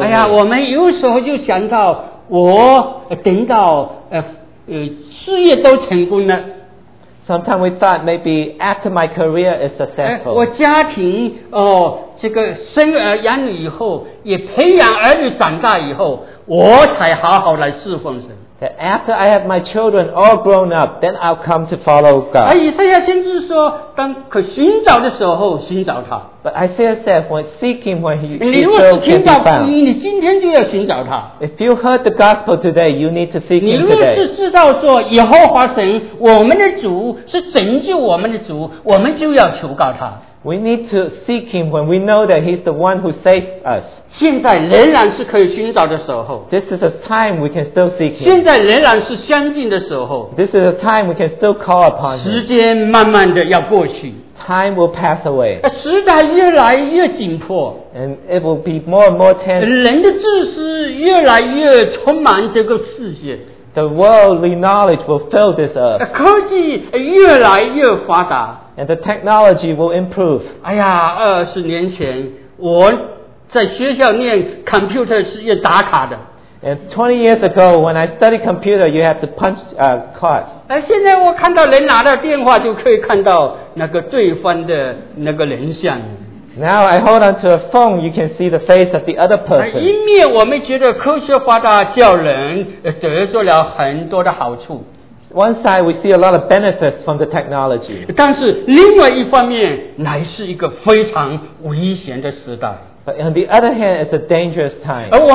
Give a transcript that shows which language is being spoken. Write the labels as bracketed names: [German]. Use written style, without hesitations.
[English] can be found. [Chinese] 我们有时候就想到我等到事业都成功了。 [English] Sometimes we thought maybe after my career is successful. [Chinese] 我家庭这个生儿养女以后，也培养儿女长大以后，我才好好来侍奉神。 [English] That after I have my children all grown up, then I'll come to follow God. [Chinese] 以赛亚先知说，当可寻找的时候寻找他。 [English] But Isaiah said, when seeking, when he still can be found. If you heard the gospel today, you need to seek him today. [Chinese] 你若是知道说耶和华神，我们的主是拯救我们的主，我们就要求告他。 [English] We need to seek him when we know that he's the one who saved us. [Chinese] 现在仍然是可以寻找的时候。 [English] This is a time we can still seek him. [Chinese] 现在仍然是相近的时候。 [English] This is a time we can still call upon him. [Chinese] 时间慢慢的要过去。 [English] Time will pass away. [Chinese] 时代越来越紧迫, [English] and it will be more and more tense. [Chinese] 人的知识越来越充满这个世界, [English] the worldly knowledge will fill this earth. [Chinese] 科技越来越发达, [English] and the technology will improve. [Chinese] 哎呀, 20年前, 我在学校念 computer 是要打卡的。 [English] And 20 years ago, when I studied computer, you had to punch cards. [Chinese] 现在我看到人拿到电话就可以看到那个对方的那个人像。 [English] Now I hold onto a phone, you can see the face of the other person. [Chinese] 一面我们觉得科学发达叫人得到了很多的好处。 [English] One side, we see a lot of benefits from the technology. [Chinese] 但是另外一方面乃是一个非常危险的时代。 [English] But on the other hand, it's a dangerous time.